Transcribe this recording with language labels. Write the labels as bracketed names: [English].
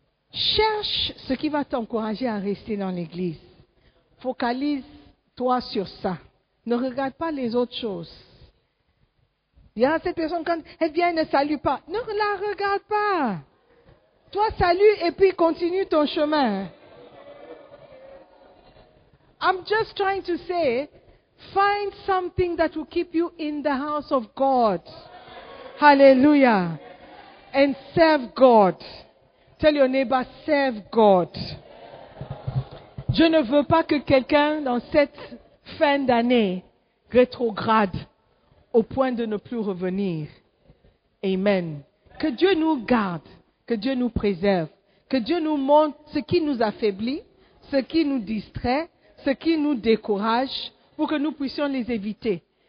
[French] Cherche ce qui va t'encourager à rester dans l'église. Focalise-toi sur ça. Ne regarde pas les autres choses. Il y a cette personne, quand elle vient, elle ne salue pas. Ne la regarde pas. Toi, salue et puis continue ton chemin. [English] I'm just trying to say, find something that will keep you in the house of God. Hallelujah. And serve God. Tell your neighbor, serve God. [French] Je ne veux pas que quelqu'un dans cette fin d'année rétrograde au point de ne plus revenir. Amen. Que Dieu nous garde, que Dieu nous préserve, que Dieu nous montre ce qui nous affaiblit, ce qui nous distrait, ce qui nous décourage, pour que nous puissions les éviter.